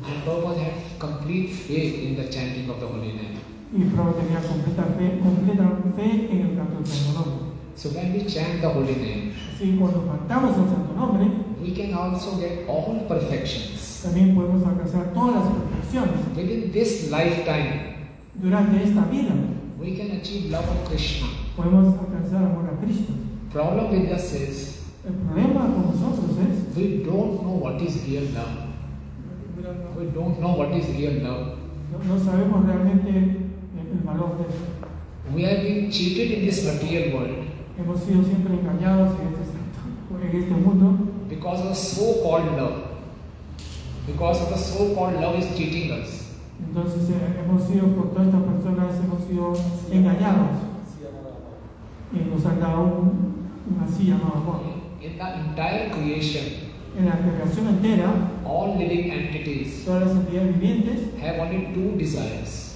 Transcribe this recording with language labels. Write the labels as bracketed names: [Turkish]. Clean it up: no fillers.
[English] And Prabhupada had complete faith in the chanting of the Holy Name. [Spanish] Y Prabhupada tenía completa fe en el canto del Santo Nombre. [English] So when we chant the Holy Name, [Spanish] así cuando cantamos el Santo Nombre, [English] we can also get all perfections. [Spanish] También podemos alcanzar todas las perfecciones. [English] Within this lifetime, [Spanish] durante esta vida, [English] we can achieve love of Krishna. [Spanish] Podemos alcanzar amor a Krishna. [English] Problem with us is, [Spanish] el problema con nosotros es, [English] we don't know what is real love. We don't know what is real love. [Spanish] No sabemos realmente el valor de eso. [English] We have been cheated in this material world. [Spanish] Hemos sido siempre engañados en este mundo. [English] Because because of the so-called love. Because of the so-called love is cheating us. [Spanish] Entonces hemos sido por todas estas personas hemos sido engañados y nos han dado un así llamado amor. [English] In the entire creation, [Spanish] en la creación entera, [English] all living entities, [Spanish] todas las entidades vivientes, [English] have only two desires.